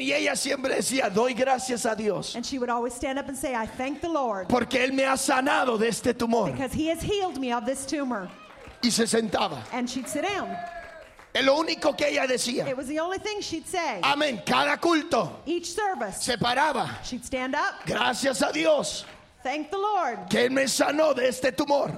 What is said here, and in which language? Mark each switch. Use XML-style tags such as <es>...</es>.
<es>Y ella siempre decía, doy gracias a Dios.</es> <en>And she would always stand up and say, I thank the Lord.</en> <es>Porque él me ha sanado de este tumor.</es> <en>Because he has healed me of this tumor.</en> <es>Y se sentaba.</es> <en>And she'd sit down.</en> <es>Es lo único que ella decía.</es> <en>It was the only thing she'd say.</en> <es>Amén. Cada culto.</es> <en>Each service.</en> <es>Se paraba.</es> <en>She'd stand up.</en> <es>Gracias a Dios.</es> <en>Thank the Lord.</en> <es>Que me sanó de este tumor.</es>